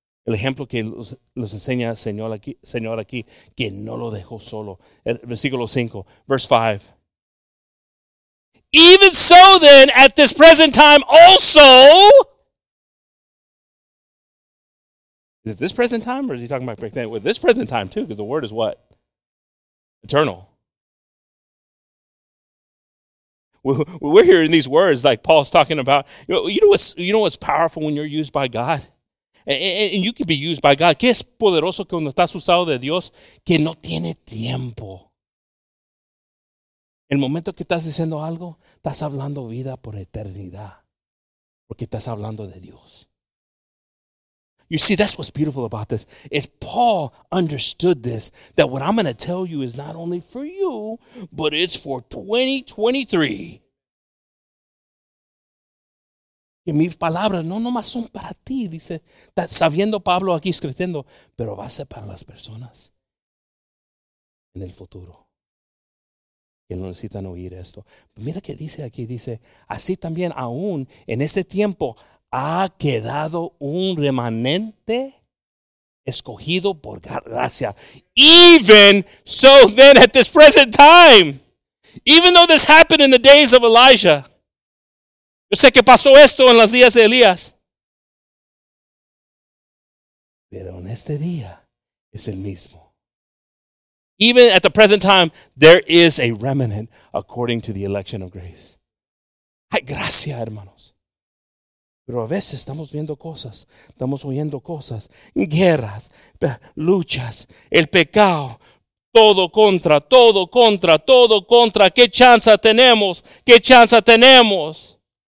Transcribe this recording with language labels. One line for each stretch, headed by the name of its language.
Spanish: El ejemplo que los enseña el Señor aquí, que no lo dejó solo. Versículo 5,
English: verse 5. Even so then, at this present time also. Is it this present time, or is he talking about back then? Well, this present time too, because the word is what? Eternal. We're hearing these words like Paul's talking about. You know what's powerful when you're used by God? And you can be used by God.
Spanish: ¿Qué es poderoso cuando estás usado de Dios que no tiene tiempo? El momento que estás diciendo algo, estás hablando vida por eternidad. Porque estás hablando de Dios.
English: You see, that's what's beautiful about this. Is Paul understood this, that what I'm going to tell you is not only for you, but it's for 2023.
Spanish: Que mis palabras no nomás son para ti, dice, sabiendo Pablo aquí escribiendo, pero va a ser para las personas en el futuro. Que no necesitan oír esto. Mira que dice aquí, dice, así también aún en ese tiempo ha quedado un remanente escogido por gracia.
English: Even so then at this present time, even though this happened in the days of Elijah,
Spanish: yo sé que pasó esto en los días de Elías. Pero en este día es el mismo.
English: Even at the present time, there is a remnant according to the election of grace.
Spanish: Ay, gracias, hermanos. Pero a veces estamos viendo cosas, estamos oyendo cosas, guerras, luchas, el pecado. Todo contra, todo contra, todo contra. ¿Qué chance tenemos? ¿Qué chance tenemos?